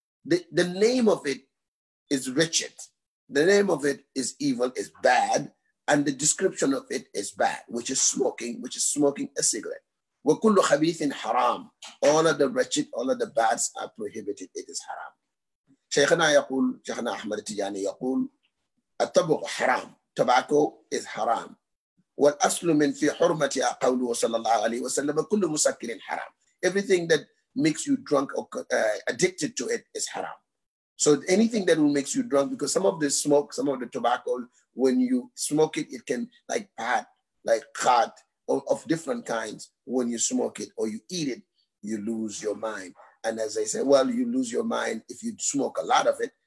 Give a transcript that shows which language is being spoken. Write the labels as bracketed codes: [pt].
[en] The name of it is wretched. The name of it is evil, is bad, and the description of it is bad, which is smoking a cigarette. [ar] وَكُلُّ خَبِيثٍ حَرَامٍ, [en] all of the wretched, all of the bads are prohibited, it is haram. [ar] شَيْخَنَا يَقُولُ, شَيْخَنَا أَحْمَدَ تِجَانِي يَقُولُ, التَّبُغُ حَرَامٌ, [en] tobacco is haram. [ar] وَالْأَصْلُ مِنْ فِي حُرْمَةِ أَقَوْلُهُ صَلَّى اللَّهُ عَلَيْهِ وَسَلَّمَ كُلُّ مُسَكِّرٍ حَرَامٌ, [en] everything that makes you drunk or addicted to it is haram. So anything that will make you drunk, because some of the smoke, some of the tobacco, when you smoke it, it can like bad, like khat, of different kinds. When you smoke it or you eat it, you lose your mind. And as they say, well, you lose your mind if you smoke a lot of it.